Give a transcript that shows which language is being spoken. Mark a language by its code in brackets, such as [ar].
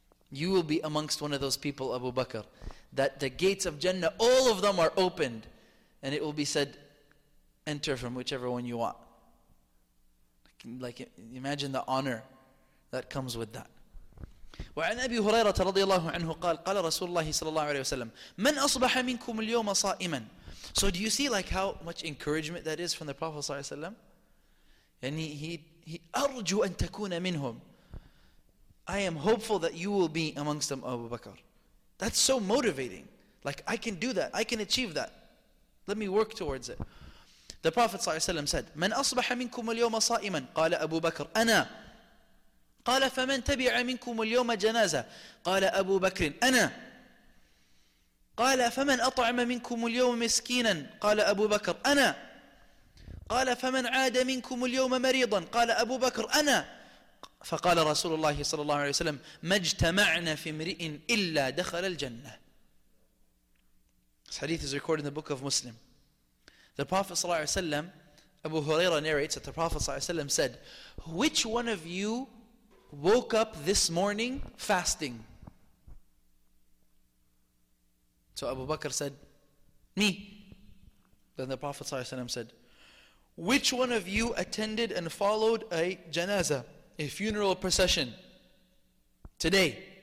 [en] You will be amongst one of those people, Abu Bakr. That the gates of Jannah, all of them are opened. And it will be said, enter from whichever one you want. Like, imagine the honor that comes with that. [ar] وعن أبي هريرة رضي الله عنه قال قال رسول الله صلى الله عليه وسلم من أصبح منكم اليوم صائما. [en] So do you see like how much encouragement that is from the Prophet صلى الله عليه وسلم, and he [ar] أرجو أن تكون منهم, [en] I am hopeful that you will be amongst them, Abu Bakr. That's so motivating. Like, I can do that, I can achieve that, let me work towards it. The Prophet [ar] صلى الله عليه وسلم [en] said, [ar] من أصبح منكم اليوم صائما. قال أبو بكر أنا. قال فمن تبع منكم اليوم جنازة. قال أبو بكر أنا. قال فمن أطعم منكم اليوم مسكينا. قال أبو بكر أنا. قال فمن عاد منكم اليوم مريضا. قال أبو بكر أنا. فقال رسول الله صلى الله عليه وسلم ما اجتمعنا في امرئ إلا دخل الجنة. [en] This hadith is recorded in the book of Muslim. The Prophet صلى الله عليه وسلم, Abu Huraira narrates that the Prophet صلى الله عليه وسلم said, which one of you woke up this morning fasting? So Abu Bakr said, me. Then the Prophet ﷺ said, which one of you attended and followed a janazah, a funeral procession, today?